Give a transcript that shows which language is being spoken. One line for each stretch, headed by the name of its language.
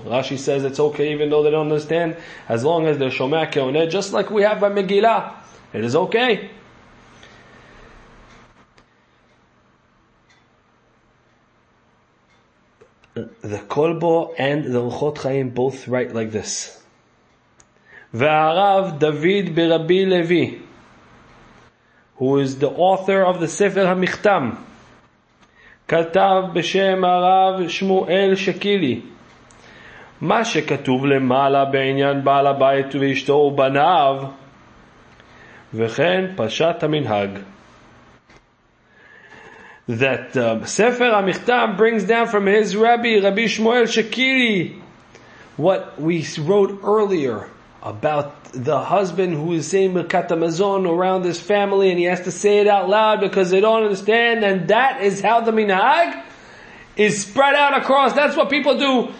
English: Rashi says it's okay even though they don't understand, as long as they're Shomea Keone, just like we have by Megillah. It is okay. The Kolbo and the Ruchot Chaim both write like this.
Hebrew: Ve'arav David b'Rabbi Levi,
English: who is the author of the Sefer HaMichtam,
Hebrew: כתב בשם הרב שמואל שקילי, מה שכתוב למעלה בעניין בעל הבית ואשתו ובניו, וכן פשט המנהג.
English: That Sefer HaMichtam brings down from his Rabbi, Rabbi Shmuel Shekili, what we wrote earlier about the husband who is saying Birkat HaMazon around his family, and he has to say it out loud because they don't understand, and that is how the Minhag is spread out across. That's what people do.